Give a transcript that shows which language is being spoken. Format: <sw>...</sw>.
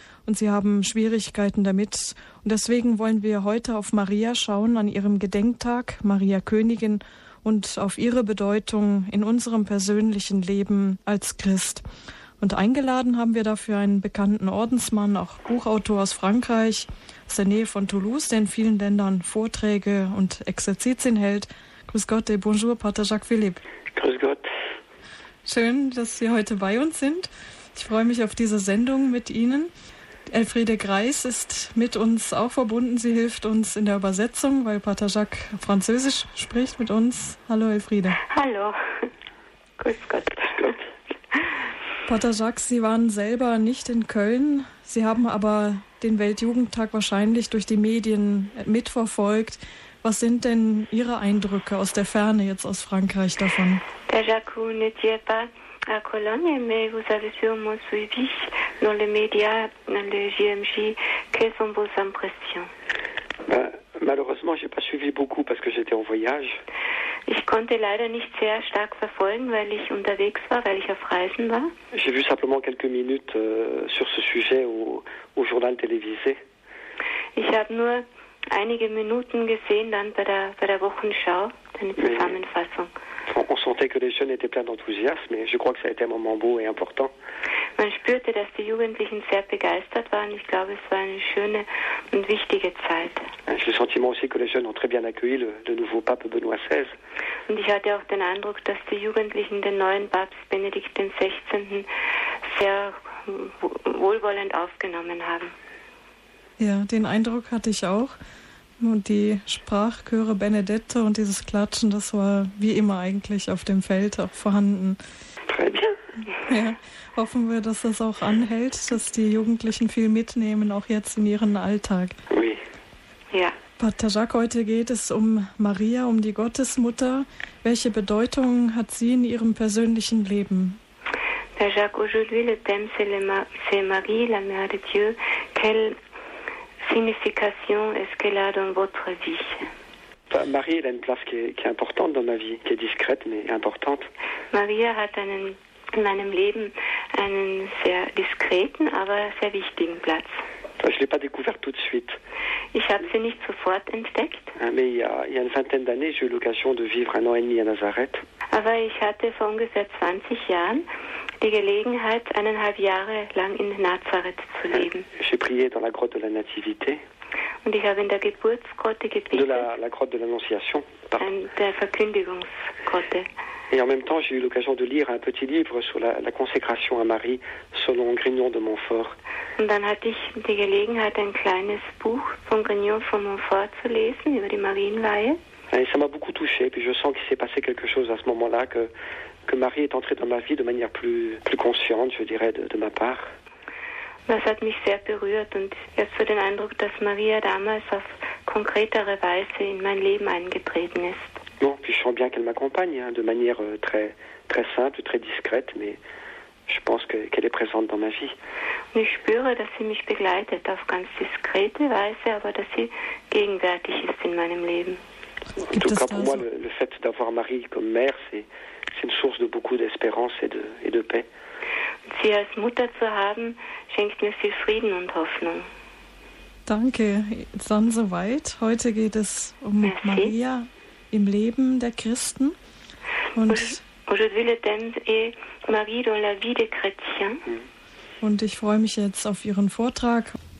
<de>Und sie haben Schwierigkeiten damit. Und deswegen wollen wir heute auf Maria schauen, an ihrem Gedenktag, Maria Königin, und auf ihre Bedeutung in unserem persönlichen Leben als Christ. Und eingeladen haben wir dafür einen bekannten Ordensmann, auch Buchautor aus Frankreich, aus der Nähe von Toulouse, der in vielen Ländern Vorträge und Exerzitien hält. Grüß Gott,</de> <fr>et bonjour,</fr> <de>Pater Jacques Philippe. Grüß Gott. Schön, dass Sie heute bei uns sind. Ich freue mich auf diese Sendung mit Ihnen. Elfriede Greis ist mit uns auch verbunden. Sie hilft uns in der Übersetzung, weil Pater Jacques Französisch spricht mit uns. Hallo, Elfriede. Hallo. Grüß Gott. Pater Jacques, Sie waren selber nicht in Köln, Sie haben aber den Weltjugendtag wahrscheinlich durch die Medien mitverfolgt. Was sind denn Ihre Eindrücke aus der Ferne jetzt aus Frankreich davon?</de> <fr>Pater Jacques, vous n'étiez pas à Cologne, mais vous avez sûrement suivi dans les médias, dans les JMJ. Quelles sont vos impressions? Malheureusement, j'ai pas suivi beaucoup parce que j'étais en voyage.</fr> <de>Ich konnte leider nicht sehr stark verfolgen, weil ich unterwegs war, weil ich auf Reisen war.</de> <fr>J'ai vu simplement quelques minutes sur ce sujet au journal télévisé.</fr> <de>Ich habe nur einige Minuten gesehen dann bei der Wochenschau, eine Zusammenfassung.</de> <fr>On sentait que les jeunes étaient pleins d'enthousiasme, mais je crois que ça a été un moment beau et important.</fr> <de>Man spürte, dass die Jugendlichen sehr begeistert waren. Ich glaube, es war eine schöne und wichtige Zeit.</de> <fr>J'ai le sentiment aussi que les jeunes ont très bien accueilli le nouveau pape Benoît XVI.</fr> <de>Und ich hatte auch den Eindruck, dass die Jugendlichen den neuen Papst Benedikt XVI. Sehr wohlwollend aufgenommen haben. Ja, den Eindruck hatte ich auch. Und die Sprachchöre Benedetto und dieses Klatschen, das war wie immer eigentlich auf dem Feld auch vorhanden. Ja, hoffen wir, dass das auch anhält, dass die Jugendlichen viel mitnehmen, auch jetzt in ihren Alltag. Ja. Pater Jacques, heute geht es um Maria, um die Gottesmutter. Welche Bedeutung hat sie in ihrem persönlichen Leben?</de> <fr>Pater Jacques, aujourd'hui le thème c'est Marie, la Mère de Dieu. Quelle signification est-ce qu'elle a dans votre vie? Marie, elle a une place qui est importante dans ma vie, qui est discrète mais importante.</fr> <de>Maria hat in meinem Leben einen sehr diskreten, aber sehr wichtigen Platz.</de> <fr>Je l'ai pas découvert tout de suite.</fr> <de>Ich habe sie nicht sofort entdeckt.</de> <fr>Mais il y a une vingtaine d'années, j'ai eu l'occasion de vivre un an et demi à Nazareth.</fr> <de>Aber ich hatte vor ungefähr 20 Jahren die Gelegenheit, eineinhalb Jahre lang in Nazareth zu leben.</de> <fr>J'ai prié dans la grotte de la Nativité.</fr> <de>Und ich habe in der Geburtsgrotte gebetet.</de> <fr>De la grotte de l'Annonciation.</fr> <de>Der Verkündigungsgrotte.</de> <fr>Et en même temps, j'ai eu l'occasion de lire un petit livre sur la consécration à Marie selon Grignon de Montfort.</fr> <de>Und dann hatte ich die Gelegenheit, ein kleines Buch von Grignon von Montfort zu lesen über die Marienweihe.</de> <fr>Et ça m'a beaucoup touché, puis je sens qu'il s'est passé quelque chose à ce moment-là, que que Marie est entrée dans ma vie de manière plus consciente, je dirais, de ma part.</fr> <de>Das hat mich sehr berührt und ich habe so den Eindruck, dass Maria damals auf konkretere Weise in mein Leben eingetreten ist.</de> <fr>Bon, puis je sens bien qu'elle m'accompagne, hein, de manière très, très simple, très discrète, mais je pense qu'elle est présente dans ma vie.</fr> <de>Und ich spüre, dass sie mich begleitet auf ganz diskrete Weise, aber dass sie gegenwärtig ist in meinem Leben.</de> <fr>En tout cas, pour moi, le fait d'avoir Marie comme mère, c'est une source de beaucoup d'espérance et de paix.</fr> <de>Sie als Mutter zu haben, schenkt mir viel Frieden und Hoffnung. Danke, dann soweit. Heute geht es um</de> <fr>Merci.</fr> <de>Maria im Leben der Christen. Und</de> <fr>aujourd'hui le thème est Marie dans la vie des chrétiens.</fr> <de>Und ich freue mich jetzt auf Ihren Vortrag.</de>